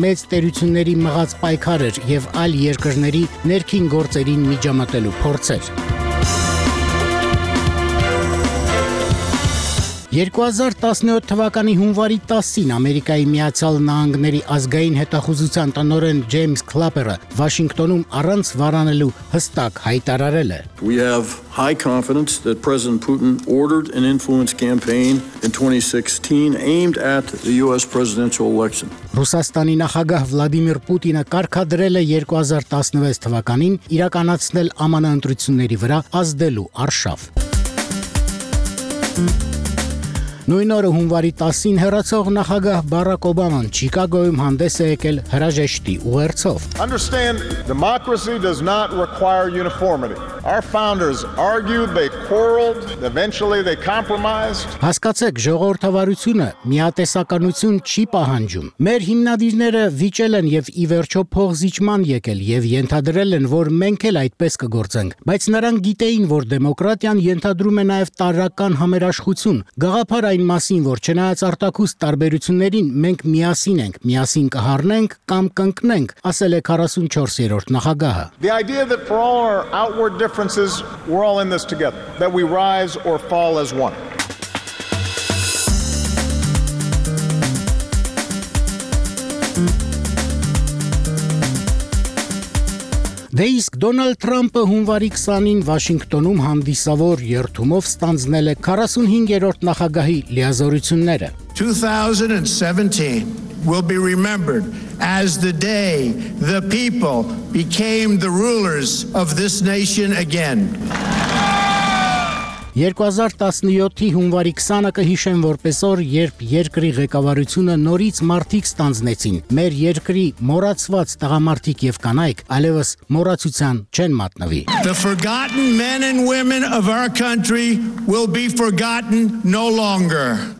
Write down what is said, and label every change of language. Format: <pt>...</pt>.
<hy>մեծ տերությունների մղած պայքարեր եւ այլ երկրների ներքին գործերին միջամտելու փորձեր։ 2017 թվականի հունվարի 10-ին Ամերիկայի Միացյալ Նահանգների ազգային հետախուզության տնօրեն Ջեյմս Քլապերը Վաշինգտոնում առանց վարանելու հստակ հայտարարել է.</hy> <en>We have high confidence that President Putin ordered an influence campaign in 2016 aimed at the US presidential election.</en> <hy>Ռուսաստանի նախագահ Վլադիմիր Պուտինը կարգադրել է 2016 թվականին իրականացնել ԱՄՆ ընտրությունների վրա ազդելու արշավ։ Նույն օրը հունվարի 10-ին հեռացող նախագահ Բարակ Օբաման Չիկագոյում հանդես է եկել հրաժեշտի ուղերձով։</hy> <en>Understand, democracy does not require uniformity. Our founders argued, they quarreled, eventually they compromised.</en> <hy>Հասկացեք, ժողովրդավարությունը միատեսականություն չի պահանջում։ Մեր հիմնադիրները վիճել են եւ ի վերջո փողզիջման եկել եւ ենթադրել են, որ մենք էլ այդպես կգործենք, բայց նրանք գիտեին, որ դեմոկրատիան ենթադրում է նաեւ տարրական համերաշխություն։ Գաղափար այն մասին, որ չնայած արտակուստ տարբերություններին մենք միասին ենք, միասին կհառնենք կամ կընկնենք, ասել է 44-րդ նախագահը։</hy> <en>The idea that for all our outward differences, we're all in this together, that we rise or fall as one.</en> <hy>Դե իսկ Դոնալդ Թրամփը հունվարի 20-ին Վաշինգտոնում հանդիսավոր երթումով ստանձնել է 45-րդ նախագահի լիազորությունները.</hy> <en>2017 will be remembered as the day the people became the rulers of this nation again.</en> <hy>2017-ի հունվարի 20-ը կհիշեն որպես օր, երբ երկրի ղեկավարությունը նորից մարտիկ ստանձնեցին։ Մեր երկրի մոռացված տղամարդիկ եւ կանայք այլևս մոռացության չեն մատնվի։</hy> <en>The forgotten men and women of our country will be forgotten no longer.</en>